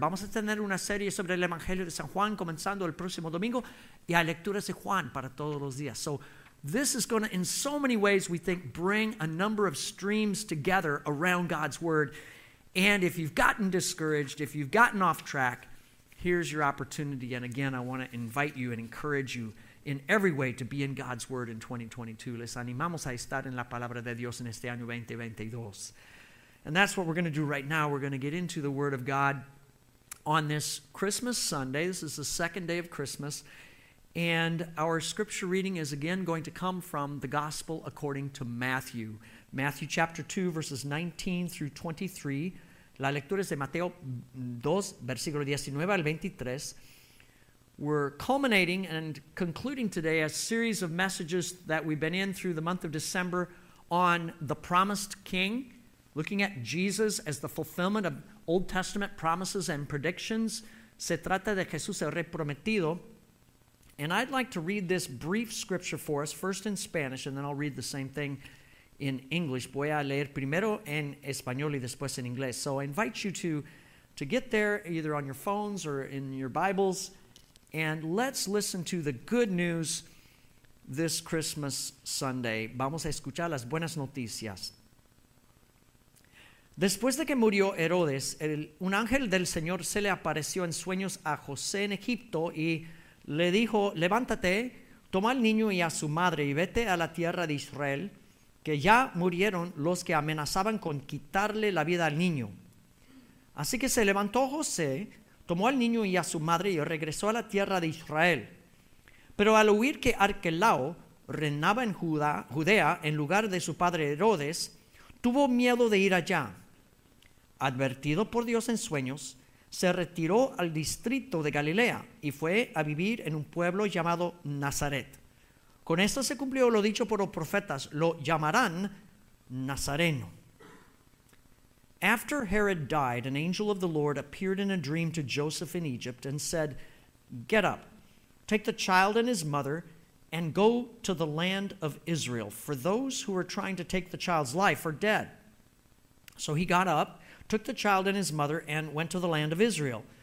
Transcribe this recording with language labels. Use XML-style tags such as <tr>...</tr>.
<es>Vamos a tener una serie sobre el Evangelio de San Juan comenzando el próximo domingo y a lecturas de Juan para todos los días.</es> <en>So this is going to, in so many ways, we think, bring a number of streams together around God's word. And if you've gotten discouraged, if you've gotten off track, here's your opportunity. And again, I want to invite you and encourage you in every way to be in God's word in 2022.</en> <es>Les animamos a estar en la palabra de Dios en este año 2022.</es> <en>And that's what we're going to do right now. We're going to get into the word of God on this Christmas Sunday. This is the second day of Christmas. And our scripture reading is again going to come from the gospel according to Matthew. Matthew chapter 2, verses 19 through 23.</en> <es>La lectura es de Mateo 2, versículo 19 al 23.</es> <en>We're culminating and concluding today a series of messages that we've been in through the month of December on the promised king, looking at Jesus as the fulfillment of Old Testament promises and predictions.</en> <es>Se trata de Jesús el Rey Prometido.</es> <en>And I'd like to read this brief scripture for us, first in Spanish, and then I'll read the same thing in English.</en> <es>Voy a leer primero en español y después en inglés.</es> <en>So I invite you to get there either on your phones or in your Bibles. And let's listen to the good news this Christmas Sunday,</en> <es>vamos a escuchar las buenas noticias. Después de que murió Herodes, un ángel del Señor se le apareció en sueños a José en Egipto y le dijo, levántate, toma al niño y a su madre y vete a la tierra de Israel, que ya murieron los que amenazaban con quitarle la vida al niño. Así que se levantó José, tomó al niño y a su madre y regresó a la tierra de Israel. Pero al oír que Arquelao reinaba en Judea en lugar de su padre Herodes, tuvo miedo de ir allá. Advertido por Dios en sueños, se retiró al distrito de Galilea y fue a vivir en un pueblo llamado Nazaret. Con esto se cumplió lo dicho por los profetas, lo llamarán Nazareno.</es> <en>After Herod died, an angel of the Lord appeared in a dream to Joseph in Egypt and said, get up, take the child and his mother and go to the land of Israel, for those who are trying to take the child's life are dead. So he got up, took the child and his mother, and went to the land of Israel.</en>